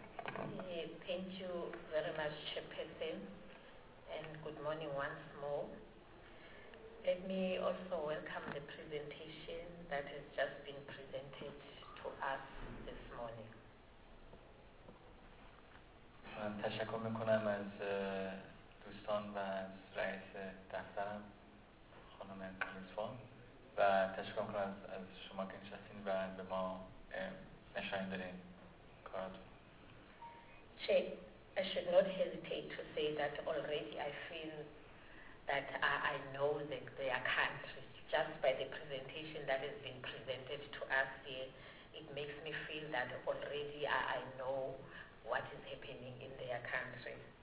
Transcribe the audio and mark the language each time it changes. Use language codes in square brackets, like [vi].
[en] Thank you very much, Chairperson, and good morning once more. Let me also welcome the presentation that has just been presented to us this morning. [fa] من تشکر میکنم از دوستان و از رئیس دفترم خانم کلیسفون و تشکر میکنم از شما که نشستین و به ما نشان دادین کارتون. [en] Chair, I should not hesitate to say that already I feel that I know that their country just by the presentation that has been presented to us here. It makes me feel that already I know what is happening in their country.